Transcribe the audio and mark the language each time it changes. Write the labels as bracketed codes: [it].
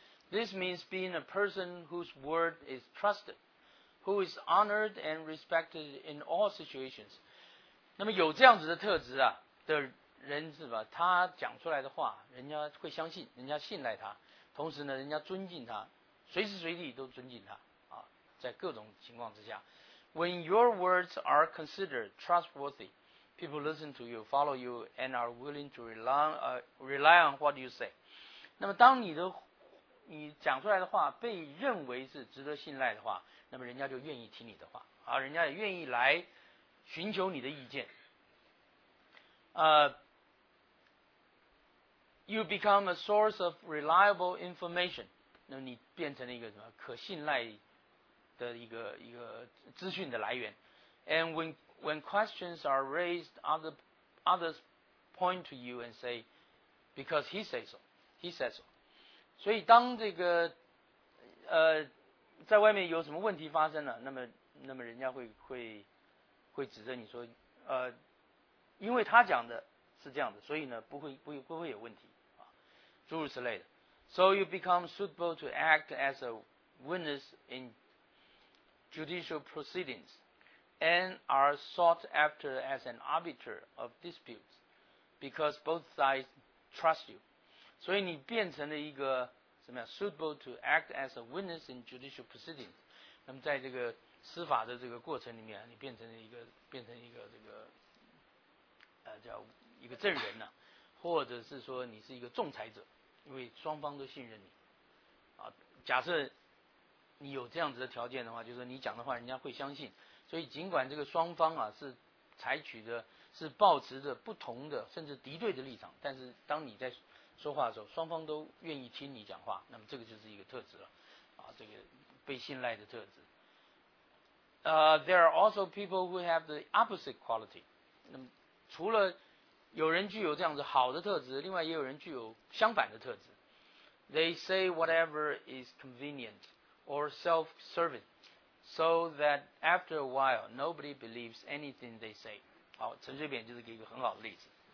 [en] This means being a person whose word is trusted, who is honored and respected in all situations. [zh] 那么有这样子的特质啊的人是吧，他讲出来的话人家会相信，人家信赖他，同时呢人家尊敬他，随时随地都尊敬他啊，在各种情况之下。 [en] When your words are considered trustworthy, people listen to you, follow you, and are willing to rely on what you say. [zh] 那么当你讲出来的话被认为是值得信赖的话，那么人家就愿意听你的话啊，人家也愿意来寻求你的意见。 [en] You become a source of reliable information. [zh] 那么你变成了一个什么可信赖的一个资讯的来源。 [en] And when questions are raised, others point to you and say, because he says so, he says so. [zh] 所以当这个在外面有什么问题发生了，那么人家会指着你说因为他讲的是这样的，所以呢不会有问题啊，诸如此类的。 [en] So you become suitable to act as a witness in judicial proceedings and are sought after as an arbiter of disputes because both sides trust you. [zh] 所以你变成了一个什么样 [en] suitable to act as a witness in judicial proceedings. [zh] 那么在这个司法的这个过程里面，你变成一个这个叫一个证人呢、啊，或者是说你是一个仲裁者，因为双方都信任你啊。假设你有这样子的条件的话，就是你讲的话人家会相信。所以尽管这个双方啊是采取的是抱持着不同的甚至敌对的立场，但是当你在说话的时候，双方都愿意听你讲话，那么这个就是一个特质了啊，这个被信赖的特质。 [en] There are also people who have the opposite quality. [zh] 那么除了有人具有这样子好的特质，另外也有人具有相反的特质。 [en] They say whatever is convenient or self-serving, so that after a while, nobody believes anything they say. [zh] 好，陈水扁就是给一个很好的例子。